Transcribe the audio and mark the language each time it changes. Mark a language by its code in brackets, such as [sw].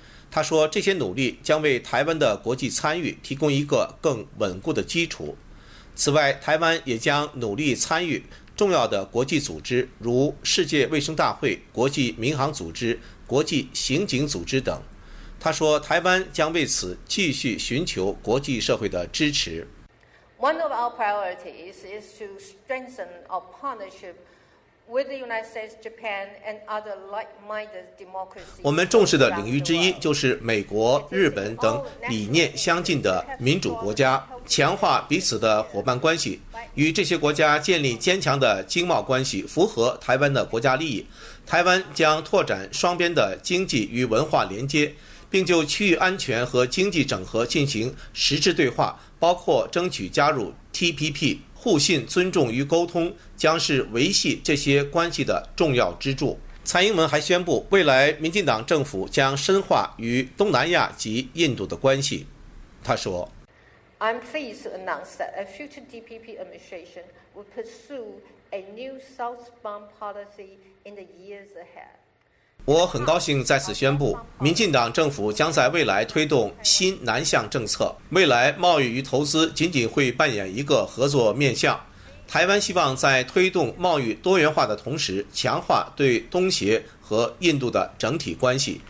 [zh] 他说这些努力将为台湾的国际参与提供一个更稳固的基础。此外，台湾也将努力参与重要的国际组织，如世界卫生大会、国际民航组织、国际刑警组织等。他说台湾将为此继续寻求国际社会的支持。 [en] One of our priorities is to strengthen our partnership with the United States, Japan, and other like-minded democracies. [zh] 我们重视的领域之一就是美国、日本等理念相近的民主国家，强化彼此的伙伴关系，与这些国家建立坚强的经贸关系，符合台湾的国家利益。台湾将拓展双边的经济与文化连接，并就区域安全和经济整合进行实质对话，包括争取加入 TPP， 互信、尊重与沟通将是维系这些关系的重要支柱。蔡英文还宣布，未来民进党政府将深化与东南亚及印度的关系。他说 [en] I'm pleased to announce that a future DPP administration will pursue a new southbound policy in the years ahead. [zh] 我很高兴在此宣布，民进党政府将在未来推动新南向政策。未来贸易与投资仅仅会扮演一个合作面向。台湾希望在推动贸易多元化的同时，强化对东协和印度的整体关系。